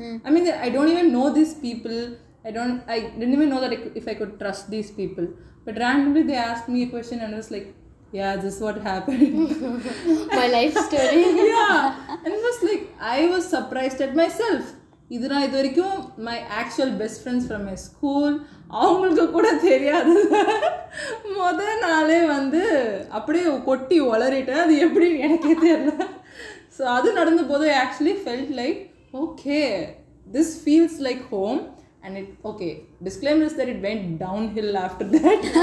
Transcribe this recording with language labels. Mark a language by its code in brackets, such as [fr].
[en] I mean, I don't even know these people. I didn't even know if I could trust these people. But randomly they asked me a question and I was like, yeah, this is what happened. My life story. Yeah. And it was like, I was surprised at myself. [ta] இதுனா இது வரைக்கும் [en] my actual best friends from my school [ta] அவங்களுக்கு கூட தெரியாது. முத நாளே வந்து அப்படியே கொட்டி உளறிட்டேன், அது எப்படின்னு எனக்கே தெரியல. [en] so [ta] அது நடந்த போது [en] I actually felt like, okay, this feels like home. And it, okay, disclaimer is that it went downhill after that.